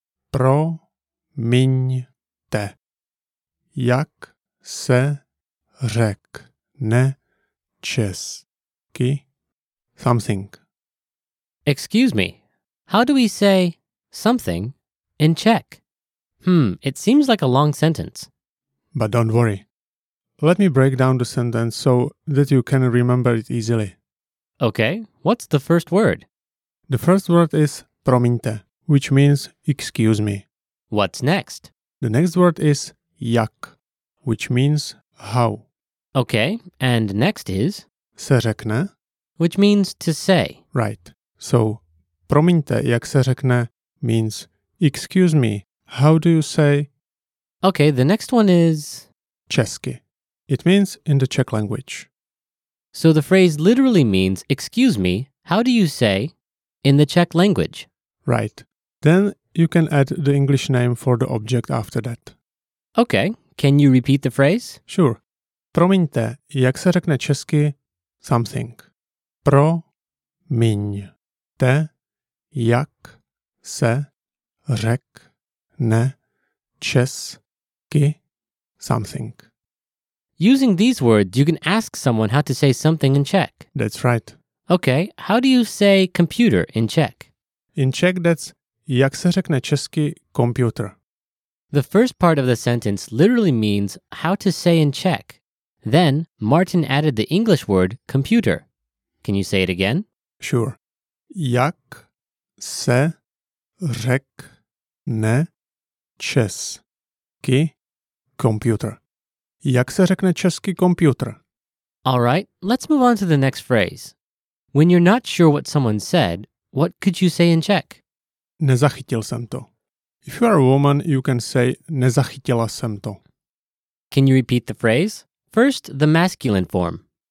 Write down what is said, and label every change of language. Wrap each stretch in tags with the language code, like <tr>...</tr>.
<cs>Promiňte, jak se řekne česky something.</cs> <en>Excuse me, how do we say something in Czech? It seems like a long sentence. But don't worry. Let me break down the sentence so that you can remember it easily. Okay, what's the first word? The first word is promiňte, which means excuse me. What's next? The next word is jak, which means how. Okay, and next is?</en> <cs>Se řekne,</cs> <en>which means to say. Right, so</en> <cs>promiňte, jak se řekne</cs> <en>means excuse me, how do you say? Okay, the next one is? Česky. It means in the Czech language. So the phrase literally means, excuse me, how do you say, in the Czech language? Right. Then you can add the English name for the object after that. Okay. Can you repeat the phrase? Sure.</en> <cs>Promiňte, jak se řekne česky, something. Promiňte, jak se řekne česky, something.</cs> <en>Using these words, you can ask someone how to say something in Czech. That's right. Okay, how do you say computer in Czech? In Czech, that's</en> <cs>jak se řekne česky computer.</cs> <en>The first part of the sentence literally means how to say in Czech. Then, Martin added the English word computer. Can you say it again? Sure.</en> <cs>Jak se řekne česky computer. Jak se řekne český počítač?</cs> <en>All right, let's move on to the next phrase. When you're not sure what someone said, what could you say in Czech?</en> <cs>Nezachytil jsem to.</cs> <en>If you are a woman, you can say</en> <cs>nezachytila jsem to.</cs> <en>Can you repeat the phrase? First, the masculine form.</en>